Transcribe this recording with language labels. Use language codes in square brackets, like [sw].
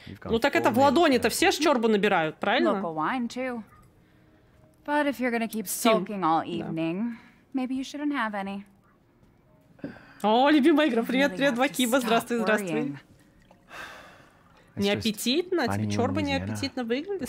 [ru] Ну так это в ладони-то все ж чорбу набирают, правильно? [en] Local wine too. But if you're gonna keep soaking all evening, maybe you shouldn't have any. [ru] О, любимая игра. Привет, привет, Вакиба. Здравствуй, здравствуй. Неаппетитно? Тебе чёрба неаппетитно выглядит?